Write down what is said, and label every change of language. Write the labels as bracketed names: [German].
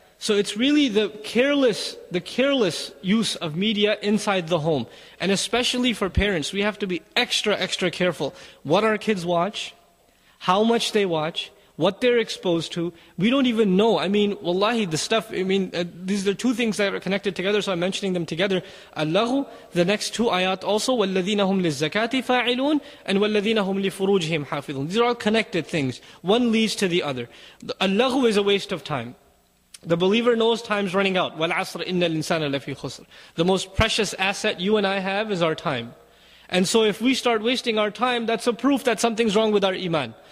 [English] So it's really the careless use of media inside the home. And especially for parents, we have to be extra, extra careful. What our kids watch, how much they watch, what they're exposed to, we don't even know. I mean, wallahi, the stuff, I mean, these are two things that are connected together, so I'm mentioning them together. Allahu, the next two ayat also, [Arabic] وَالَّذِينَ هُمْ لِلزَّكَاةِ فَاعِلُونَ and وَالَّذِينَ هُمْ لِفُرُوجِهِمْ حَافِظُونَ. [English] These are all connected things. One leads to the other. Allahu is a waste of time. The believer knows time's running out. [Arabic] وَالْعَصْرِ إِنَّ الْإِنسَانَ لَفِي خُسْرٍ. [English] The most precious asset you and I have is our time. And so if we start wasting our time, that's a proof that something's wrong with our iman.